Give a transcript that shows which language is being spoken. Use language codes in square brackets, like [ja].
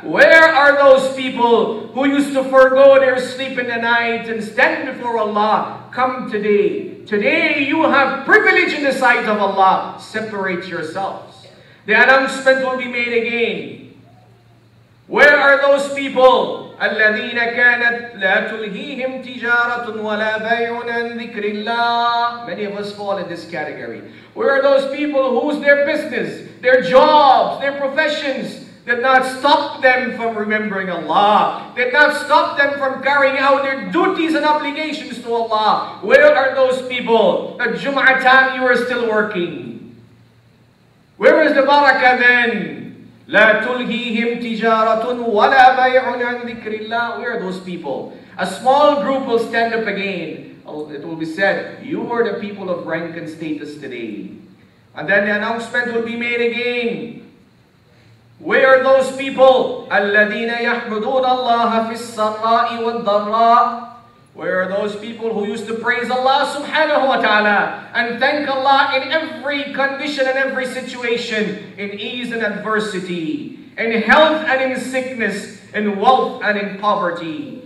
[en] Where are those people who used to forgo their sleep in the night and stand before Allah? Come today. Today you have privilege in the sight of Allah. Separate yourselves. The announcement will be made again. Where are those people? [ar] الَّذِينَ كَانَتْ لَا تُلْهِيهِمْ تِجَارَةٌ وَلَا بَيْعٌ عَنْ ذِكْرِ اللَّهِ [en] Many of us fall in this category. Where are those people whose their business, their jobs, their professions did not stop them from remembering Allah? Did not stop them from carrying out their duties and obligations to Allah? Where are those people? At Jum'ah time you are still working. Where is the barakah then? [ar] لا تلهيهم تجارة ولا بيع عن ذكر الله [en] Where are those people? A small group will stand up again. It will be said, you are the people of rank and status today. And then the announcement will be made again. Where are those people? [ar] الذين يحمدون الله في السراء والضراء [en] Where are those people who used to praise Allah subhanahu wa ta'ala and thank Allah in every condition and every situation, in ease and adversity, in health and in sickness, in wealth and in poverty?